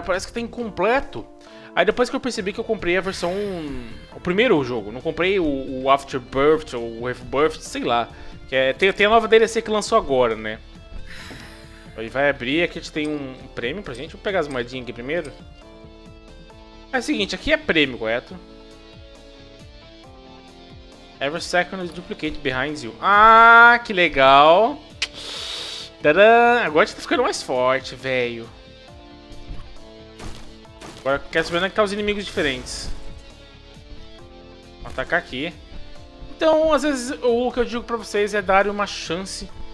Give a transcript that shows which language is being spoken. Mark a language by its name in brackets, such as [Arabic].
[Portuguese] Parece que tá incompleto. Aí depois que eu percebi que eu comprei a versão. O primeiro jogo. Não comprei o Afterbirth ou o Rebirth, sei lá. Que é, tem a nova DLC que lançou agora, né? Aí vai abrir, aqui a gente tem um prêmio pra gente. Vou pegar as moedinhas aqui primeiro. É o seguinte, aqui é prêmio, correto? [English] Every second is duplicate behind you. [Portuguese] Ah, que legal! Tadã! Agora a gente tá ficando mais forte, velho. Agora quer saber onde é que tá os inimigos diferentes. Vou atacar aqui. Então, às vezes, o que eu digo pra vocês é dar uma chance.